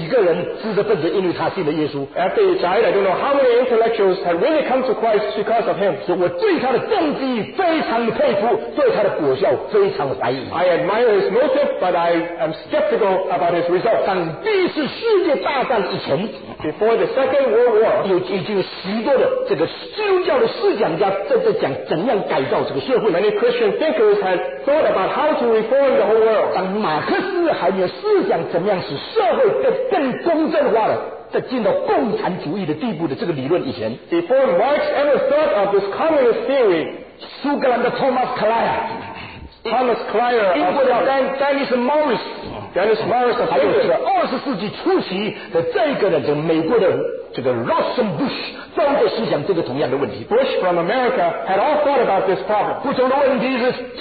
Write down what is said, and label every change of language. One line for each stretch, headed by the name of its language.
Chinese: 到他死了以后，我不知道他讲了几个人知识分子，因为他信了耶稣。
English: After he died, I don't know how many intellectuals had really come to Christ because of him.
Chinese: 所以我对他的动机非常佩服，对他的果效非常怀疑。
English: I admire his motive, but I am skeptical about his result.
Chinese: 当第一次世界大战以前，
English: Before the Second World War,
Chinese: 已经有许多的这个基督教的思想家在讲怎样改造这个社会。
English: Many Christian thinkers had thought about how to reform the whole world.
Chinese: 当马克思还没有思想怎么样使社会更公正化了， 在进到共产主义的地步的这个理论以前，
English: Before Marx ever thought of this communist theory,
Chinese: 苏格兰的托马斯·克莱尔， 英国的丹尼斯·莫里斯， 还有这个20世纪初期的这个美国的这个罗森·布什， 都在思想这个同样的问题。
English: Bush from America had all thought about this problem.